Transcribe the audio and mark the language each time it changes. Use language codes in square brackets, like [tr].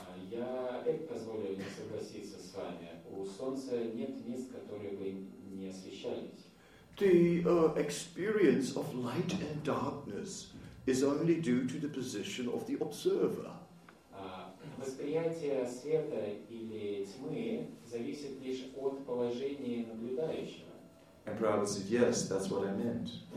[ru] Я опять позволю не согласиться с вами. У солнца нет мест, которые вы не освещаете. [en] The experience of light and darkness is only due to the position of the observer. [ru] Восприятие света или тьмы зависит лишь от положения наблюдающего. [en] And Prabhupada said, yes, that's what I meant.